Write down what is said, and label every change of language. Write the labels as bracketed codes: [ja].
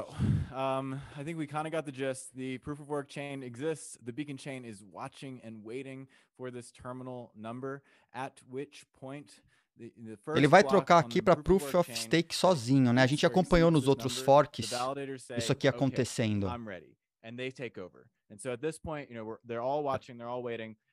[en] I think we kind of got the gist. The proof of work chain exists. The beacon chain is watching and waiting for this terminal number, at which point the first. [pt] Ele vai trocar aqui para proof of stake sozinho, né? A gente acompanhou nos outros forks isso aqui acontecendo. [en] I'm ready. And they take over. And so at this point, you know, they're all watching, they're all waiting.